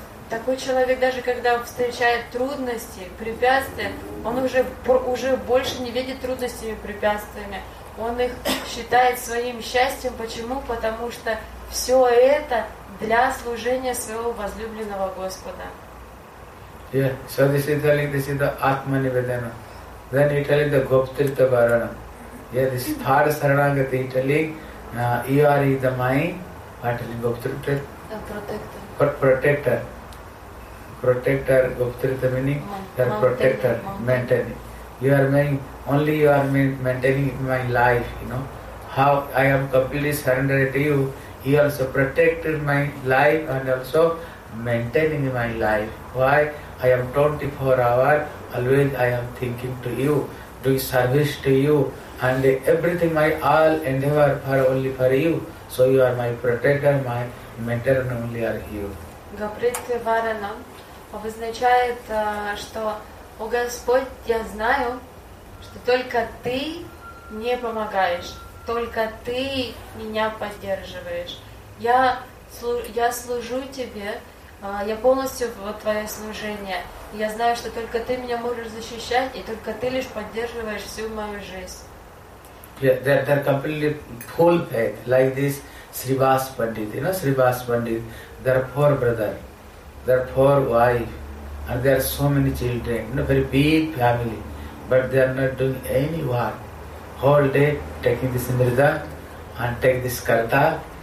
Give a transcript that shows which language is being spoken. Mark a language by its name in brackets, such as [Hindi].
[Russian] Такой человек, даже когда встречает трудности, препятствия, он уже больше не видит трудностями и препятствиями. Он их считает своим счастьем. Почему? Потому что все это для служения своего возлюбленного Господа. [English] Yeah, so this is the Atma Nivedana. Then he tells the Gopthirtha Varana. Yeah, this third Saranagati telling, you are the mind, What is Gopatritar? Protector. Protector, Gopatritar meaning? You are protector, maintaining. You are meaning, only you are maintaining my life, you know. How I am completely surrendered to you, you also protected my life and also maintaining my life. Why? I am 24 hours, always I am thinking to you, doing service to you, and everything my all endeavor for only for you. So you are my protector, my mentor, and only are you. [Russian] Gopritya Varanam обозначает, что, о Господь, я знаю, что только Ты мне помогаешь, только Ты меня поддерживаешь. Я служу Тебе, я полностью в Твое служение. Я знаю, что только Ты меня можешь защищать, и только Ты лишь поддерживаешь всю мою жизнь. [English] Yeah, they're completely full faith, like this Srivas Pandit, you know, Srivas Pandit. There are four brothers, there are four wives, and there are so many children, you know, very big family. But they are not doing any work. Whole day taking this Nirda and take this Karta.